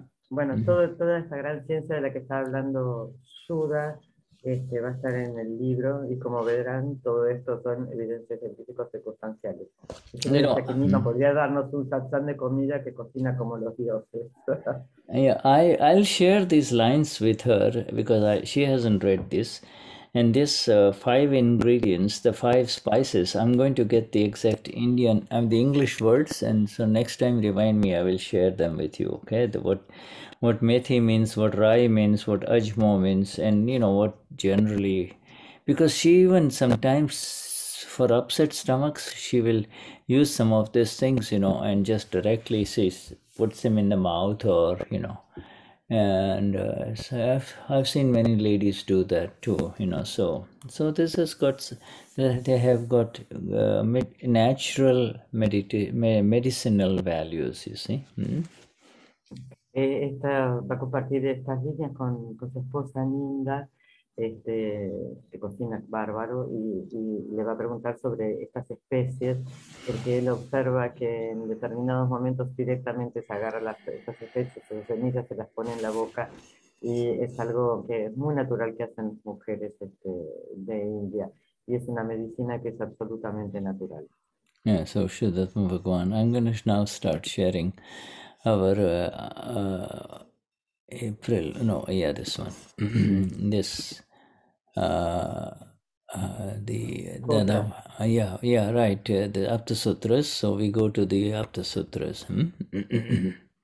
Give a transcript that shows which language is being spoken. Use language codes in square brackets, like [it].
[es] Bueno, toda esta gran ciencia de la que está hablando Shuddha va a estar en el libro y como verán, todo esto son evidencias científicas circunstanciales. Nima podría darnos un satsang de comida que cocina como los dioses. [en] Yeah, I'll share these lines with her because she hasn't read this. And this five ingredients, the five spices, I'm going to get the exact Indian and the English words. And so next time, remind me, I will share them with you. Okay, what methi means, what rai means, what ajmo means, and you know, what generally, because she even sometimes for upset stomachs, she will use some of these things, you know, and just directly says, puts them in the mouth or, you know, And so I've seen many ladies do that too, you know. So this has got, they have got natural medicinal values, you see. [es] Esta va a compartir estas líneas con su esposa Ninda, que cocina bárbaro, y le va a preguntar sobre estas especies, porque él observa que en determinados momentos directamente se agarra estas especies, sus semillas, se las pone en la boca, y es algo que es muy natural que hacen las mujeres de India, y es una medicina que es absolutamente natural. [en] Yeah, so should that move on? I'm going to now start sharing our April, no, yeah, this one, this, the cool. Yeah, right, the Aptasutras, so we go to the Aptasutras.